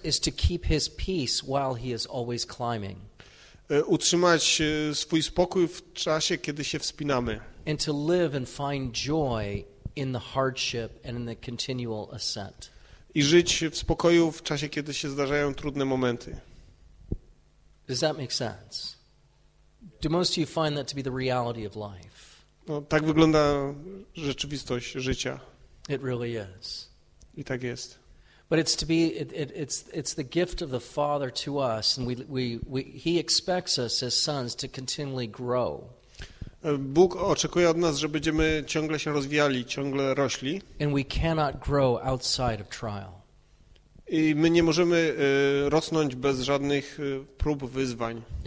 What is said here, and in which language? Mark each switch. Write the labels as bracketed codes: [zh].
[en] is to keep his peace while he is always climbing. [pl] Utrzymać swój spokój w czasie, kiedy się wspinamy. [en] And to live and find joy in the hardship and in the continual ascent. [pl] I żyć w spokoju w czasie, kiedy się zdarzają trudne momenty. [en] Does that make sense? Do most of you find that to be the reality of life? [pl] No, tak wygląda rzeczywistość życia. [en] It really is. [pl] I tak jest. [en] But it's to be it's the gift of the Father to us, and we he expects us as sons to continually grow. [pl] Bóg oczekuje od nas, że będziemy ciągle się rozwijali, ciągle rośli. [en] And we cannot grow outside of trial. [pl] I my nie możemy rosnąć bez żadnych prób, wyzwań.